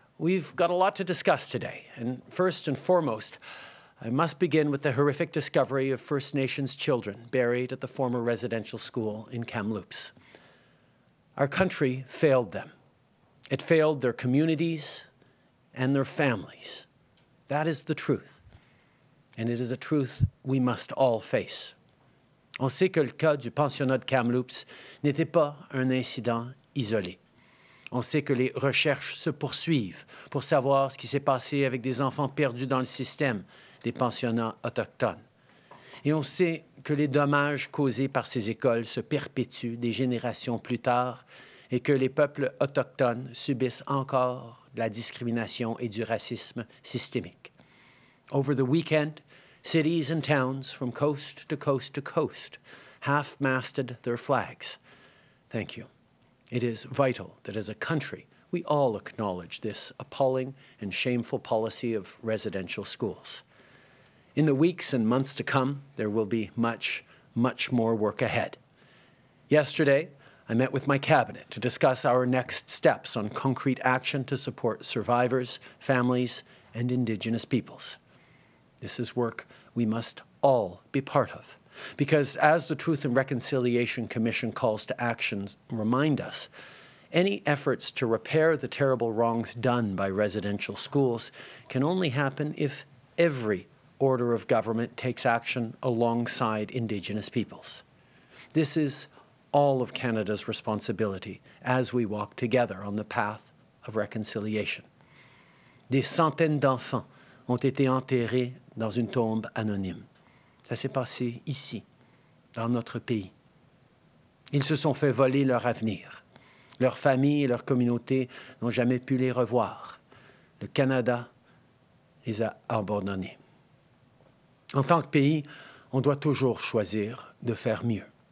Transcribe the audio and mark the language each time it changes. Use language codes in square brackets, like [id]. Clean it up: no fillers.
[en] We've got a lot to discuss today, and first and foremost, I must begin with the horrific discovery of First Nations children buried at the former residential school in Kamloops. Our country failed them. It failed their communities and their families. That is the truth, and it is a truth we must all face. [fr] On sait que le cas du pensionnat de Kamloops n'était pas un incident isolé. On sait que les recherches se poursuivent pour savoir ce qui s'est passé avec des enfants perdus dans le système des pensionnats autochtones. Et on sait que les dommages causés par ces écoles se perpétuent des générations plus tard et que les peuples autochtones subissent encore de la discrimination et du racisme systémique. [en] Over the weekend, cities and towns from coast to coast to coast half-masted their flags. Thank you. It is vital that as a country, we all acknowledge this appalling and shameful policy of residential schools. In the weeks and months to come, there will be much, much more work ahead. Yesterday, I met with my cabinet to discuss our next steps on concrete action to support survivors, families, and Indigenous peoples. This is work we must all be part of. Because as the Truth and Reconciliation Commission calls to action remind us, any efforts to repair the terrible wrongs done by residential schools can only happen if every order of government takes action alongside Indigenous peoples. This is all of Canada's responsibility as we walk together on the path of reconciliation. [fr] Des centaines d'enfants ont été enterrés dans une tombe anonyme. Ça s'est passé ici, dans notre pays. Ils se sont fait voler leur avenir. Leurs familles et leurs communautés n'ont jamais pu les revoir. Le Canada les a abandonnés. En tant que pays, on doit toujours choisir de faire mieux.